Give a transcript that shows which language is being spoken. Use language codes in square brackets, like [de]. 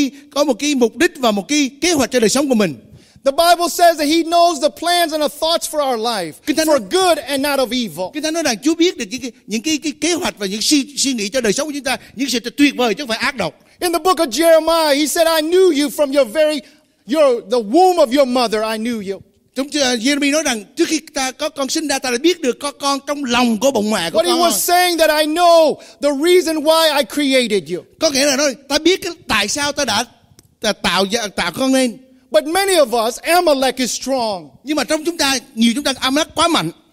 [vi] Có một cái mục đích và một cái kế hoạch cho đời sống của mình. [en] The Bible says that he knows the plans and the thoughts for our life, for good and not of evil. [vi] Kinh Thánh nói rằng Chúa biết được những kế hoạch và những suy nghĩ cho đời sống của chúng ta, những sự tuyệt vời chứ không phải ác độc. [en] In the book of Jeremiah, he said, I knew you from the womb of your mother, I knew you. [vi] Jeremiah nói rằng trước khi ta có con sinh ra, ta đã biết được có con trong lòng của bụng mẹ của con. [en] But he was saying that I know the reason why I created you. [vi] Có nghĩa là nói, ta biết tại sao ta đã tạo con nên. [en] But many of us, Amalek is strong. [vi] Nhưng mà trong chúng ta, nhiều chúng ta Amalek quá mạnh.